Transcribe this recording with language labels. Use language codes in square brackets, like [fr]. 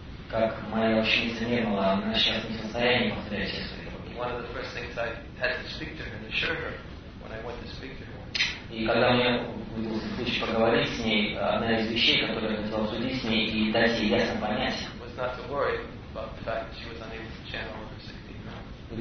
[ru] Как моя ученица не была, она сейчас не в состоянии повторять все свои. [en] One of the first things I had to speak to her and assure her when I went to speak to her. [ru] И когда мне удалось лучше поговорить с ней, одна из вещей, которую я хотел обсудить с ней и дать ей ясно понять, [en] was not to worry about the fact she was unable to channel her 16